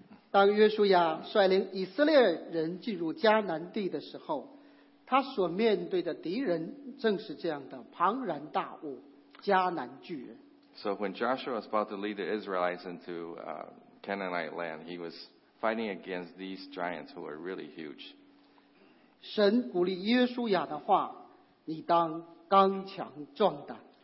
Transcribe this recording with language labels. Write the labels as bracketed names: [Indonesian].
[Chinese] 当约书亚率领以色列人进入迦南地的时候, 他所面对的敌人正是这样的庞然大物, 迦南巨人。 [English] So when Joshua was about to lead the Israelites into Canaanite land, he was fighting against these giants who were really huge. [Chinese] 神鼓励约书亚的话,你当刚强壮胆。